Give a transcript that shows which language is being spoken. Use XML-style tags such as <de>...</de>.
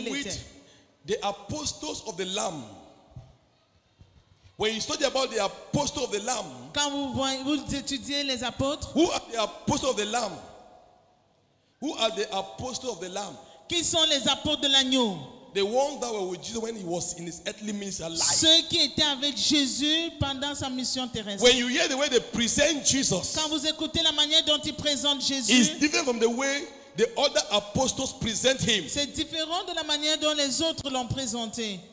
<en>you read the apostles of the Lamb, when you study about the apostles of the Lamb,</en> <fr>quand vous étudiez les apôtres,</fr> <en>who are the apostles of the Lamb? Who are the apostles of the Lamb?</en> <fr>Qui sont les apôtres de l'agneau?</fr> <en>The ones that were with Jesus when he was in his earthly ministry life.</en> <fr>Ceux qui étaient avec Jésus pendant sa mission terrestre.</fr> <en>When you hear the way they present Jesus,</en> <fr>quand vous écoutez la manière dont ils présentent Jésus,</fr> <en>it's different from the way the other apostles present him.</en> <fr>C'est différent de la manière dont les autres l'ont présenté.</fr>